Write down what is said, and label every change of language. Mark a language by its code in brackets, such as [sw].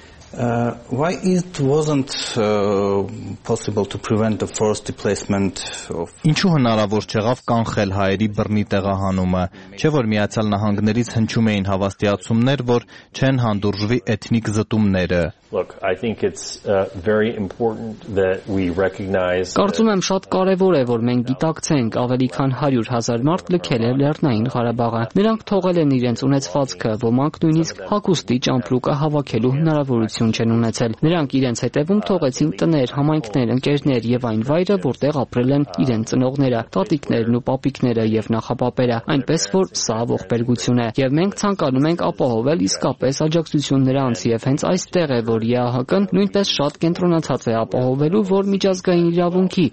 [en] Why it wasn't possible to prevent the forced displacement of [hy] Ինչու հնարավոր չեղավ կանխել հայերի բռնի տեղահանումը, չէ՞ որ Միացյալ Նահանգներից հնչում էին հավաստիացումներ, որ չեն հանդուրժվի էթնիկ զտումները։ [en] Look, I think it's very important that we recognize [hy] Կարծում եմ շատ կարևոր է, որ մենք գիտակցենք, ավելի քան 100 000 մարդ լքել է Լեռնային Ղարաբաղը։ Նրանք թողել են իրենց ունեցվածքը, ոմանք նույնիսկ հագուստի ճամպլուկը հավաքելու հնարավորություն հաջողություն չեն ունեցել։ Նրանք իրենց հետևում թողեցին տներ, համայնքներ, ընկերներ եւ այն վայրը, որտեղ ապրել են իրեն ծնողները, տատիկներն ու պապիկները եւ նախապապերը, այնպես որ սա ողբերգություն է եւ մենք ցանկանում ենք ապահովել իսկապես աջակցություն նրանց եւ հենց այստեղ է որ ԵԱՀԿ-ն նույնպես շատ կենտրոնացած է ապահովելու որ միջազգային իրավունքի